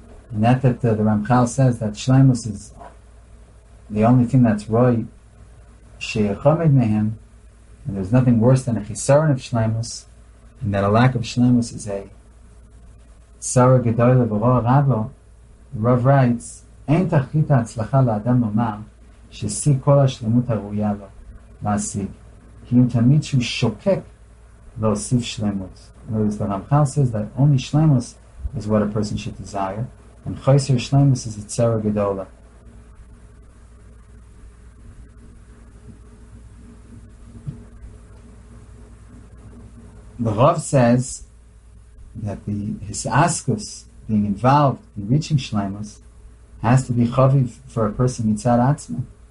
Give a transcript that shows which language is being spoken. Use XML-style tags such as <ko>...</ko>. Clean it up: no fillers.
<en>And the Ramchal says that Shleimus is the only thing that's roi sheyachomed mehem, and there's nothing worse than a chisaron of Shleimus, and that a lack of Shleimus is a sara gedoyle v'ro rabo. Rav writes,</en> <he>אין תכלית ההצלחה לאדם לומר ששיג כל השלמות הראויה לו להשיג, כי אם תמיד שהוא שוקק להוסיף שלמות.</he> <en>The Ramchal says that only shlemus is what a person should desire, and chayser shlemus is a tzara gedola. The Rav says that the hisaskus, being involved in reaching shlemus, has to be chaviv for a person mitzad atzma.</en>